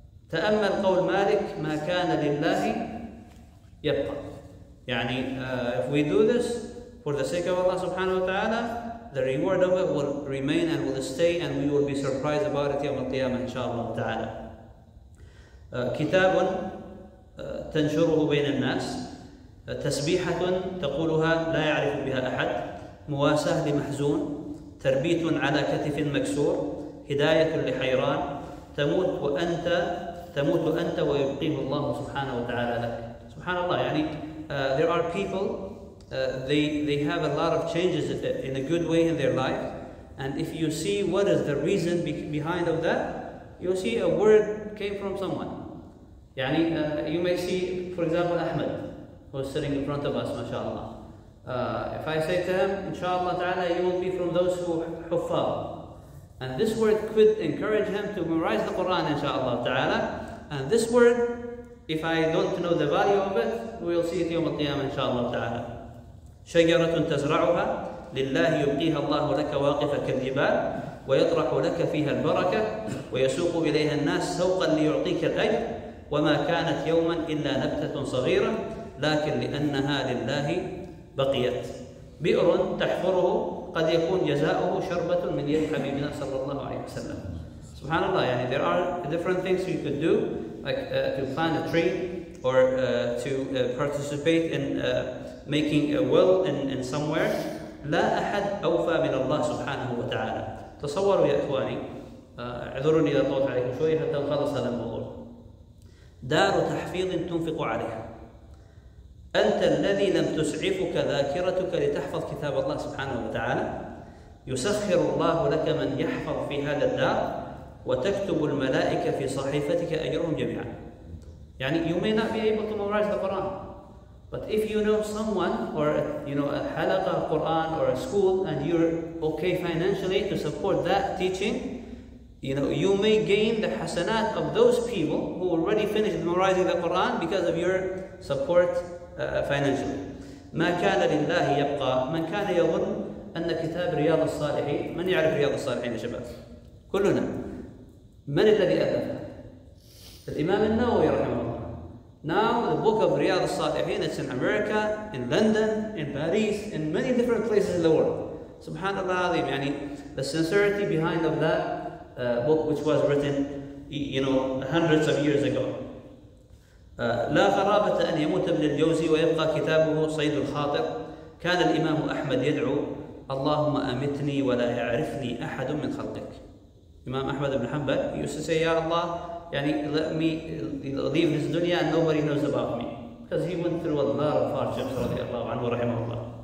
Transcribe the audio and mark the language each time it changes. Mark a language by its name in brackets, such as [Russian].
[Arabic] تأمل قول مالك: ما كان لله يبقى. [English] يعني if we do this for the sake of Allah subhanahu wa ta'ala, the reward of it will remain and will stay, and we will be surprised about it [Arabic] يوم القيامة إن شاء الله تعالى. كتاب تنشره بين الناس. تسبيحة تقولها لا يعرف بها أحد. مواساة لمحزون. تربيت على كتف مكسور. هداية لحيران. تموت أنت ويبقيه الله سبحانه وتعالى لك. سبحان الله. [English] يعني there are people they have a lot of changes in a good way in their life, and if you see what is the reason behind of that, you'll see a word came from someone. يعني you may see, for example, Ahmed, who is sitting in front of us, mashallah. If I say to him, inshallah ta'ala, you will be from those who huffaz. And this word could encourage him to memorize the Quran, inshallah ta'ala. And this word, if I don't know the value of it, we'll see it yawm al-qiyamah, inshallah ta'ala. [Arabic] شجرة تزرعها لله يبقيها الله لك واقفة كالجبال ويطرح لك فيها البركة ويسوق إليها الناس سوقا ليعطيك الأجر وما كانت يوما إلا نبتة صغيرة، لكن لأنها لله بقيت. بئر تحفره قد يكون جزاؤه شربة من يد حبيبنا صلى الله عليه وسلم. سبحان الله، يعني [English] there are different things you could do, like to plant a tree or to participate in making a well in somewhere. [Arabic] لا أحد أوفى من الله سبحانه وتعالى. تصوروا يا إخواني، اعذروني إذا طولت عليكم شوية حتى نخلص هذا الموضوع. دار تحفيظ تنفق عليها، أنت الذي لم تسعفك ذاكرتك لتحفظ كتاب الله سبحانه وتعالى، يسخر الله لك من يحفظ في هذا الدار، وتكتب الملائكة في صحيفتك أجرهم جميعا. [English] يعني you may not be able to memorize the Quran, but if you know someone or you know a halaqa of Quran or a school and you're okay financially to support that teaching, you know, you may gain the hasanat of those people who already finished memorizing the Quran because of your support financially. [Arabic] ما كان لله يبقى، من كان يظن أن كتاب رياض الصالحين، من يعرف رياض الصالحين يا شباب؟ كلنا. من الذي ألفه؟ الإمام النووي رحمه الله. [English] Now the book of رياض الصالحين is in America, in London, in Paris, in many different places in the world. [Arabic] سبحان الله العظيم، يعني [English] the sincerity behind of that book which was written, you know, hundreds of years ago. [Arabic] لا غرابة أن يموت ابن الجوزي ويبقى كتابه صيد الخاطر. كان الإمام أحمد يدعو اللهم أمتني ولا يعرفني أحد من خلقك. [English] الإمام أحمد بن حنبل used to say [Arabic] يا الله يعني [English] let me leave this dunya and nobody knows about me because he went through a lot of hardships [Arabic] رضي الله عنه ورحمه الله.